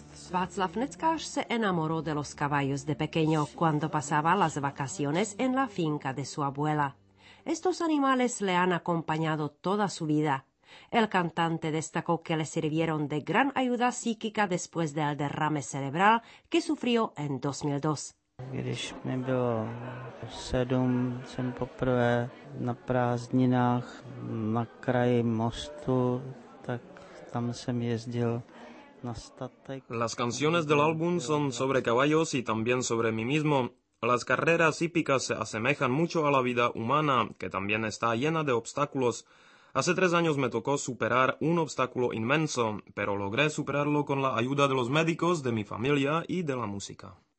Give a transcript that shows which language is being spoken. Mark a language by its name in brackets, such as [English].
[Spanish] Václav Neckář se enamoró de los caballos de pequeño cuando pasaba las vacaciones en la finca de su abuela. Estos animales le han acompañado toda su vida. El cantante destacó que le sirvieron de gran ayuda psíquica después del derrame cerebral que sufrió en 2002. [Czech] Když mi bylo 7, jsem poprvé na prázdninách na kraji mostu, tak tam jsem jezdil. [Spanish] Las canciones del álbum son sobre caballos y también sobre mí mismo. Las carreras hípicas se asemejan mucho a la vida humana, que también está llena de obstáculos. Hace 3 años me tocó superar un obstáculo inmenso, pero logré superarlo con la ayuda de los médicos, de mi familia y de la música.